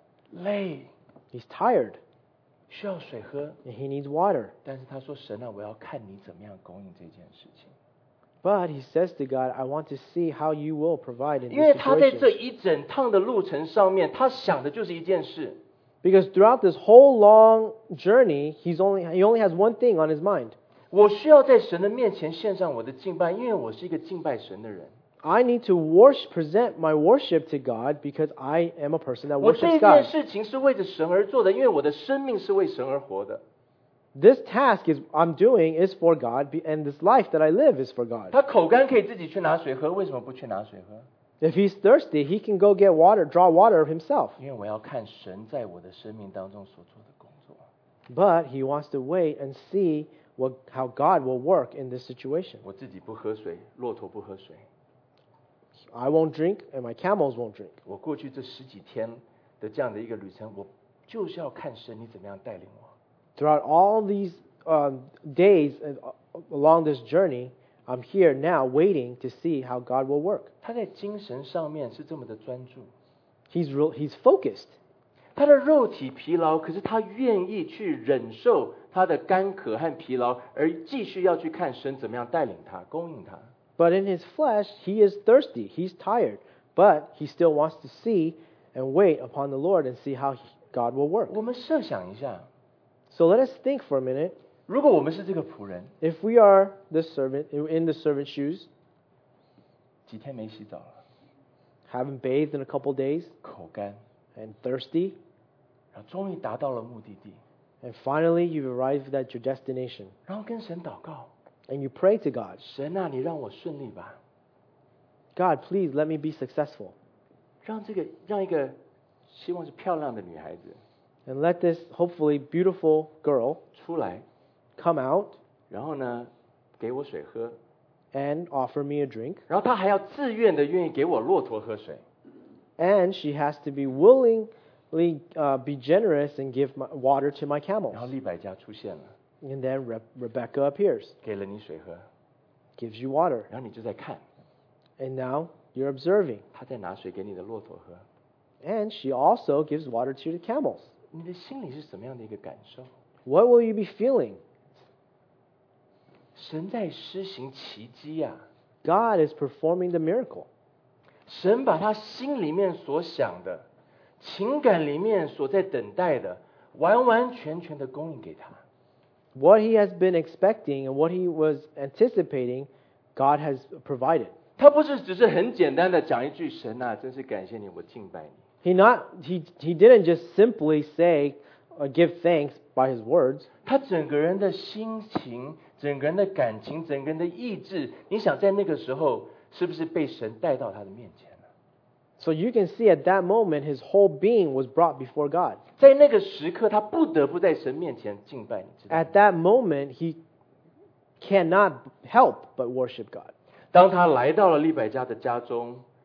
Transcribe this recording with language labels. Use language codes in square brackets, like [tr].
[zh] 累。 [en] He's tired. [zh] 需要水喝。 [en] And he needs water. [zh] 但是他说，神啊，我要看你怎么样供应这件事情。 [en] But he says to God, I want to see how you will provide in this [zh] 因为他在这一整趟的路程上面，他想的就是一件事。 [en] Because throughout this whole long journey, he only has one thing on his mind. [zh] 我需要在神的面前献上我的敬拜，因为我是一个敬拜神的人。 [en] I need to worship, present my worship to God because I am a person that worships God. [zh] 我这件事情是为着神而做的，因为我的生命是为神而活的。 [en] This task I'm doing is for God, and this life that I live is for God. [zh] 他口干可以自己去拿水喝，为什么不去拿水喝？ [en] If he's thirsty, he can go get water, draw water himself. [zh] 因为我要看神在我的生命当中所做的工作。 [en] But he wants to wait and see. How God will work in this situation. [zh] 我自己不喝水，骆驼不喝水。 [en] I won't drink, and my camels won't drink. [zh] 我过去这十几天的这样的一个旅程，我就是要看神你怎么样带领我。 [en] Throughout all these days along this journey, I'm here now waiting to see how God will work. [zh] 他在精神上面是这么的专注。 [en] He's focused. [zh] 他的肉体疲劳，可是他愿意去忍受他的干渴和疲劳，而继续要去看神怎么样带领他、供应他。 [en] But in his flesh, he is thirsty, he's tired, but he still wants to see and wait upon the Lord and see how God will work. [zh] 我们设想一下。 [en] So let us think for a minute. [zh] 如果我们是这个仆人。 [en] If we are the servant, in the servant's shoes. [zh] 几天没洗澡了。 [en] Haven't bathed in a couple days. [zh] 口干。 [en] And thirsty, [zh] 然后终于达到了目的地。 [en] And finally, you've arrived at your destination. [zh] 然后跟神祷告。 [en] And you pray to God. [zh] 神啊，你让我顺利吧。 [en] God, please let me be successful. [zh] 让一个希望是漂亮的女孩子。 [en] And let this hopefully beautiful girl [zh] 出来 [en] come out. [zh] 然后呢，给我水喝。 [en] And offer me a drink. [zh] 然后他还要自愿的愿意给我骆驼喝水。 [en] And she has to be willingly, be generous and give my, water to my camels. [zh] 然后利百加出现了。 [en] And then Rebecca appears. [zh] 给了你水喝。 [en] Gives you water. [zh] 然后你就在看。 [en] And now you're observing. [zh] 他在拿水给你的骆驼喝。 [en] And she also gives water to the camels. [zh] 你的心里是什么样的一个感受？ [en] What will you be feeling? [zh] 神在施行奇迹啊。 [en] God is performing the miracle. [zh] 神把他心里面所想的，情感里面所在等待的，完完全全的供应给他。 [en] What he has been expecting and what he was anticipating, God has provided. [zh] 他不是只是很简单的讲一句，神啊，真是感谢你，我敬拜你。 [en] He didn't just simply say, give thanks by his words. [zh] 他整个人的心情，整个人的感情，整个人的意志，你想在那个时候，是不是被神带到他的面前呢？ [en] So you can see at that moment, his whole being was brought before God. [zh] 在那个时刻，他不得不在神面前敬拜，你知道吗？ [en] At that moment, he cannot help but worship God. [zh] 当他来到了利百加的家中，